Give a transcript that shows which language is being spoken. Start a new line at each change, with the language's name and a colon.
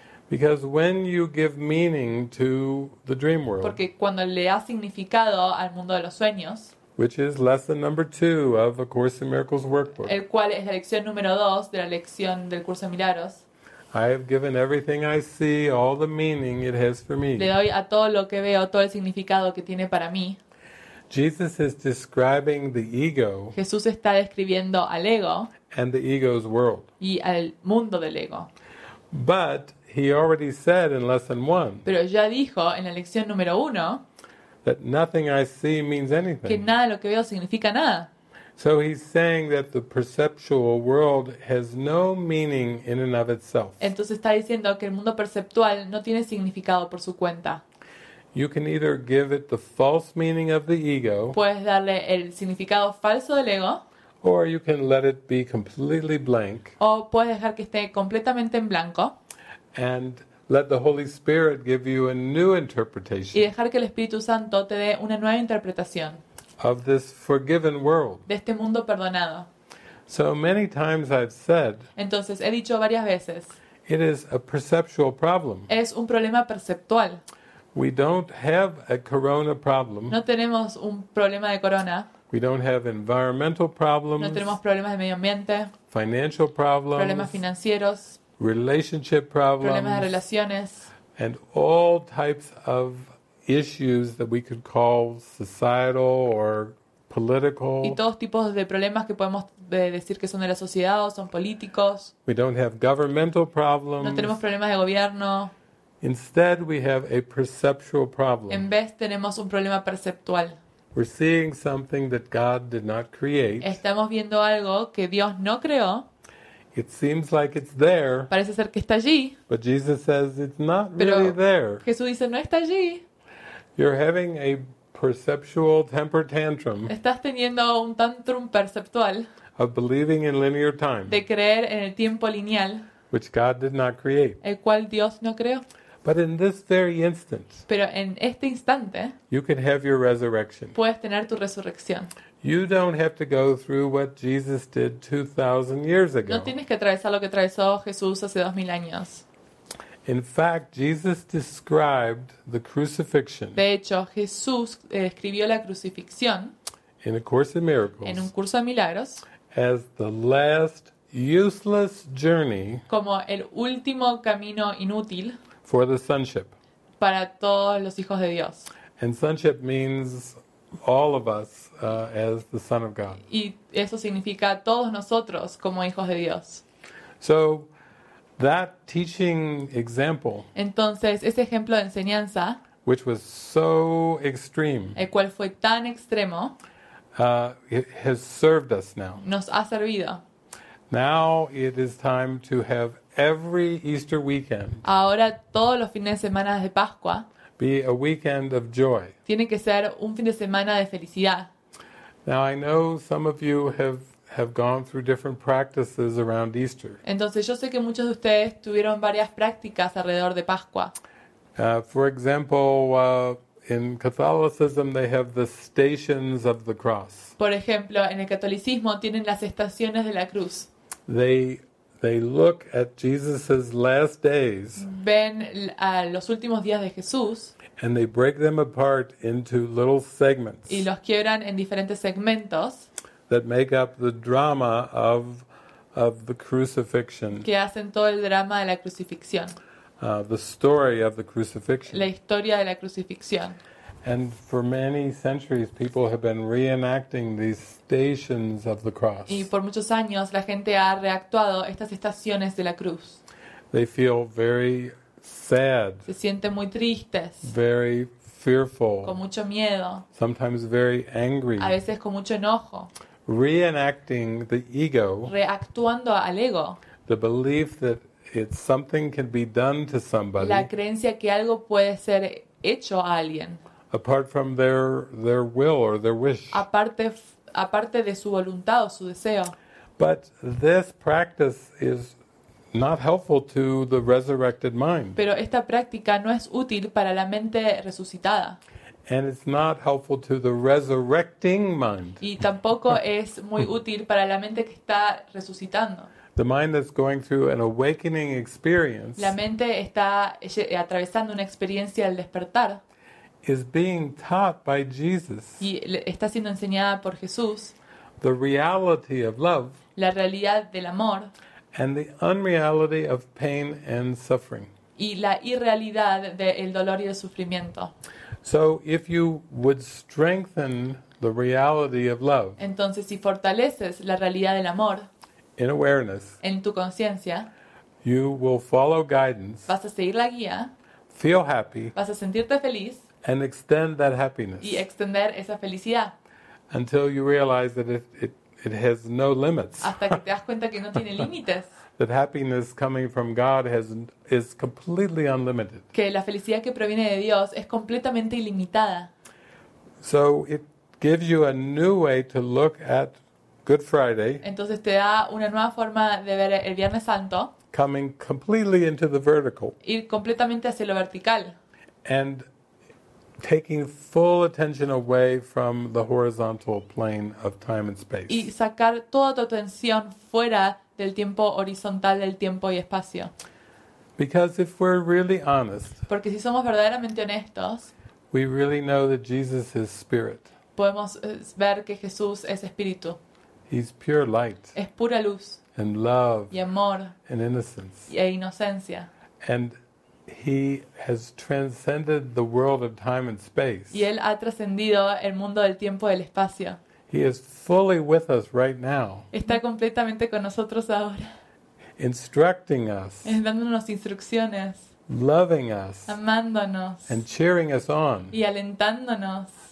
English: Because when you give meaning to the dream world.
Spanish: Porque cuando le das significado al mundo de los sueños.
English: Which is lesson number 2 of A Course in Miracles workbook.
Spanish: El cual es la lección número 2 de la lección del curso de milagros.
English: I have given everything I see, all the meaning it has for me.
Spanish: Le doy a todo lo que veo, todo el significado que tiene para mí.
English: Jesus is describing the ego.
Spanish: Jesús está describiendo al ego.
English: And the ego's world.
Spanish: Y al mundo del ego.
English: But he already said in lesson one.
Spanish: Pero ya dijo en la lección número uno.
English: That nothing I see means anything.
Spanish: Que nada de lo que veo significa nada.
English: So he's saying that the perceptual world has no meaning in and of itself.
Spanish: Entonces está diciendo que el mundo perceptual no tiene significado por su cuenta.
English: You can either give it the false meaning of the ego.
Spanish: Puedes darle el significado falso del ego.
English: Or you can let it be completely blank.
Spanish: O puedes dejar que esté completamente en blanco.
English: And let the Holy Spirit give you a new interpretation.
Spanish: Y dejar que el Espíritu Santo te dé una nueva interpretación.
English: Of this forgiven world.
Spanish: De este mundo perdonado.
English: So many times I've said.
Spanish: Entonces he dicho varias veces.
English: It is a perceptual problem.
Spanish: Es un problema perceptual.
English: We don't have a corona problem.
Spanish: No tenemos un problema de corona.
English: We don't have environmental problems.
Spanish: No tenemos problemas de medio ambiente.
English: Financial problems.
Spanish: Problemas financieros.
English: Relationship problems.
Spanish: Problemas de relaciones.
English: And all types of issues that we could call societal or political.
Spanish: Y todos tipos de problemas que podemos decir que son de la sociedad o son políticos.
English: We don't have governmental problems.
Spanish: No tenemos problemas de gobierno.
English: Instead, we have a perceptual problem.
Spanish: En vez tenemos un problema perceptual.
English: We're seeing something that God did not create.
Spanish: Estamos viendo algo que Dios no creó.
English: It seems like it's there.
Spanish: Parece ser que está allí.
English: But Jesus says it's not really there.
Spanish: Pero Jesús dice no está allí.
English: You're having a perceptual temper tantrum.
Spanish: Estás teniendo un tantrum perceptual.
English: Of believing in linear time.
Spanish: De creer en el tiempo lineal.
English: Which God did not create.
Spanish: El cual Dios no creó.
English: But in this very instant.
Spanish: Pero en este instante.
English: You can have your resurrection.
Spanish: Puedes tener tu resurrección.
English: You don't have to go through what Jesus did 2,000 years ago.
Spanish: No tienes que atravesar lo que atravesó Jesús hace 2,000 años.
English: In fact, Jesus described the crucifixion.
Spanish: De hecho, Jesús escribió la crucifixión.
English: In a course of miracles.
Spanish: En un curso de milagros.
English: As the last useless journey.
Spanish: Como el último camino inútil.
English: For the sonship.
Spanish: Para todos los hijos de Dios.
English: And sonship means all of us as the Son of God.
Spanish: Y eso significa todos nosotros como hijos de Dios.
English: So. That teaching example.
Spanish: Entonces, ese ejemplo de enseñanza,
English: which was so extreme.
Spanish: El cual fue tan extremo.
English: It has served us now.
Spanish: Nos ha servido.
English: Now it is time to have every Easter weekend.
Spanish: Ahora todos los fines de semana de Pascua.
English: Be a weekend of joy.
Spanish: Tiene que ser un fin de semana de felicidad.
English: Now I know some of you have gone through different practices around Easter.
Spanish: Entonces yo sé que muchos de ustedes tuvieron varias prácticas alrededor de Pascua.
English: For example, in Catholicism they have the stations of the cross.
Spanish: Por ejemplo, en el catolicismo tienen las estaciones de la cruz.
English: They look at Jesus's last days.
Spanish: Ven a los últimos días de Jesús.
English: And they break them apart into little segments.
Spanish: Y los quiebran en diferentes segmentos.
English: That make up the drama of the crucifixion.
Spanish: Que hacen todo el drama de la crucifixión.
English: The story of the crucifixion.
Spanish: La historia de la crucifixión.
English: And for many centuries, people have been reenacting these stations of the cross.
Spanish: Y por muchos años la gente ha reactuado estas estaciones de la cruz.
English: They feel very sad.
Spanish: Se sienten muy tristes.
English: Very fearful.
Spanish: Con mucho miedo.
English: Sometimes very angry.
Spanish: A veces con mucho enojo.
English: Reenacting the ego.
Spanish: Reactuando al ego.
English: The belief that it's something can be done to somebody.
Spanish: La creencia que algo puede ser hecho a alguien.
English: Apart from their will or their wish.
Spanish: Aparte de su voluntad o su deseo.
English: But this practice is not helpful to the resurrected mind.
Spanish: Pero esta práctica no es útil para la mente resucitada.
English: And it's not helpful to the resurrecting mind.
Spanish: Y tampoco es muy útil para la mente que está resucitando.
English: The mind that's going through an awakening experience.
Spanish: La mente está atravesando una experiencia del despertar.
English: Is being taught by Jesus.
Spanish: Y está siendo enseñada por Jesús.
English: The reality of love.
Spanish: La realidad del amor.
English: and the unreality of pain and suffering.
Spanish: Y la irrealidad del dolor y el sufrimiento.
English: So if you would strengthen the reality of love.
Spanish: Entonces, si fortaleces la realidad del amor.
English: In awareness.
Spanish: En tu conciencia.
English: You will follow guidance.
Spanish: Vas a seguir la guía.
English: Feel happy.
Spanish: Vas a sentirte feliz.
English: And extend that happiness.
Spanish: Y extender esa felicidad.
English: Until you realize that it has no limits.
Spanish: Hasta que te das cuenta que no tiene límites.
English: That happiness coming from God is completely unlimited.
Spanish: Que la felicidad que proviene de Dios es completamente ilimitada.
English: So it gives you a new way to look at Good Friday.
Spanish: Entonces te da una nueva forma de ver el Viernes Santo.
English: Coming completely into the vertical.
Spanish: Ir completamente hacia lo vertical.
English: And taking full attention away from the horizontal plane of time and space.
Spanish: Y sacar toda tu atención fuera del tiempo horizontal, del tiempo y espacio.
English: Because if we're really honest,
Spanish: porque si somos verdaderamente honestos,
English: we really know that Jesus is spirit.
Spanish: Podemos ver que Jesús es espíritu.
English: He's pure light.
Spanish: Es pura luz.
English: And love.
Spanish: Y amor.
English: And innocence.
Spanish: Y e inocencia.
English: And he has transcended the world of time and space.
Spanish: Y él ha trascendido el mundo del tiempo y del espacio.
English: He is fully with us right now.
Spanish: Está completamente con nosotros ahora.
English: Instructing us.
Spanish: Dándonos instrucciones.
English: Loving us.
Spanish: Amándonos.
English: And cheering us on.
Spanish: Y alentándonos.